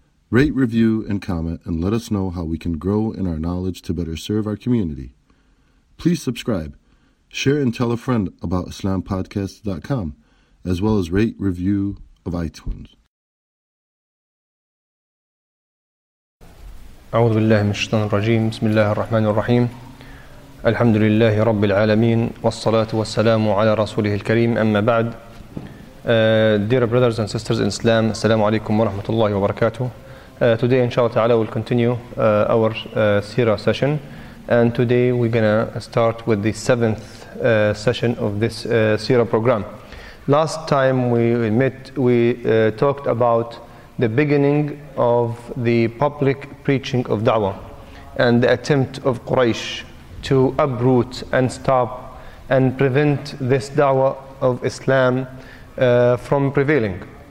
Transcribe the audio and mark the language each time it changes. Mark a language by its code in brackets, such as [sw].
[en] Rate, review, and comment and let us know how we can grow in our knowledge to better serve our community. Please subscribe, share, and tell a friend about islampodcasts.com as well as rate, review of iTunes. [ar] أعوذ بالله من الشيطان الرجيم بسم الله الرحمن الرحيم الحمد لله رب العالمين والصلاة والسلام على رسوله الكريم أما بعد [en] dear brothers and sisters in Islam [ar] السلام عليكم ورحمة الله وبركاته [en] today [ar] إن شاء الله تعالى [en] we'll continue our Sira session and today we're gonna start with the seventh session of this Sira program. Last time we talked about the beginning of the public preaching of da'wah and the attempt of Quraysh to uproot and stop and prevent this da'wah of Islam from prevailing.